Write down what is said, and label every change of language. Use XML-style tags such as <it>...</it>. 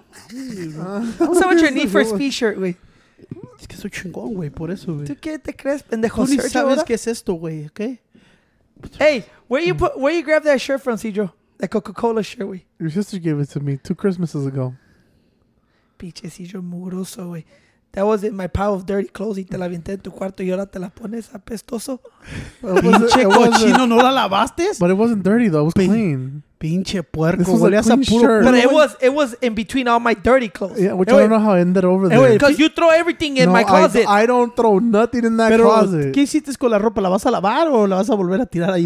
<en>So what's your need for a speed shirt, güey?</en> <es>Es que soy chingón, güey, por eso, güey. ¿Tú qué te crees, pendejo? Tú ni sabes qué es esto, güey, ¿ok?</es> <en>Hey, where you put, where you grab that shirt from, Cedro? That Coca-Cola shirt, güey. Your sister gave it to me 2 Christmases ago.</en> <es>Piche, Cedro, mugroso, güey.</es> <en>That was in my pile of dirty clothes.</en> <es>Y te la aventé en tu cuarto y ahora te la pones apestoso. Pinche cochino, ¿no la lavaste?</es> <en>But it wasn't dirty, though. It was clean.</en> <es>Pinche puerco.</es> <en>This was a clean shirt. But it was in between all my dirty clothes. Yeah, which anyway, I don't know how it ended over there. Because you throw everything in my closet. I don't throw nothing in that closet.</en> <es>¿Qué hiciste con la ropa? ¿La vas a lavar o la vas a volver a tirar ahí?</es>